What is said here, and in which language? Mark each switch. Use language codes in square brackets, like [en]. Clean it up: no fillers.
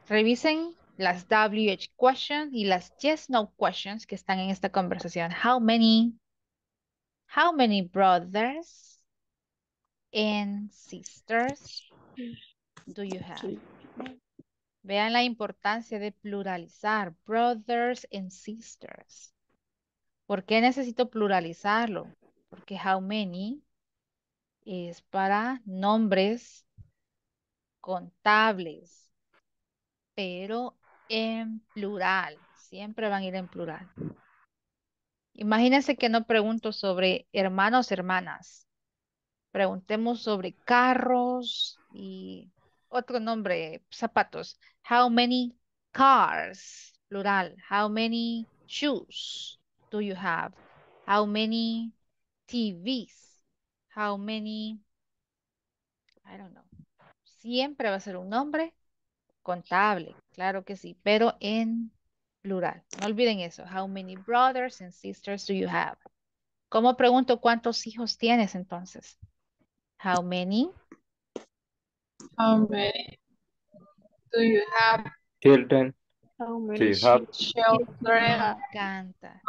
[es] Revisen las WH questions y las yes, no questions que están en esta conversación. [en] How many brothers and sisters do you have? [es] Vean la importancia de pluralizar brothers and sisters. ¿Por qué necesito pluralizarlo? Porque how many es para nombres contables, pero en plural. Siempre van a ir en plural. Imagínense que no pregunto sobre hermanos, hermanas. Preguntemos sobre carros y otro nombre, zapatos. [en] How many cars? Plural. How many shoes do you have? How many TVs? How many, I don't know. [es] Siempre va a ser un nombre contable, claro que sí, pero en plural. No olviden eso. [en] How many brothers and sisters do you have? [es] ¿Cómo pregunto cuántos hijos tienes entonces? [en] How many? How many do you have? Children. How many children? [es] Me encanta.